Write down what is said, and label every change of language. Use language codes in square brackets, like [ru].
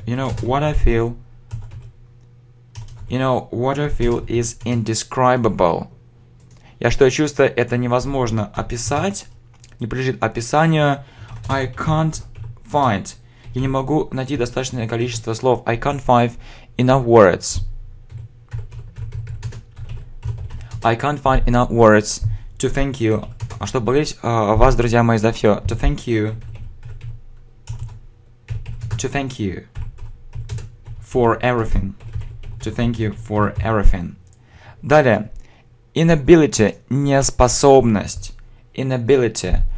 [en] You know what I feel? You know what I feel is indescribable. [ru] Я что я чувствую, это невозможно описать. Не прилежит описанию. [en] I can't find. [ru] Я не могу найти достаточное количество слов. [en] I can't find enough words. I can't find enough words to thank you. [ru] А чтобы поблагодарить вас, друзья мои, за все. [en] To thank you. To thank you for everything. To thank you for everything. [ru] Далее. [en] Inability. [ru] Неспособность. Inability.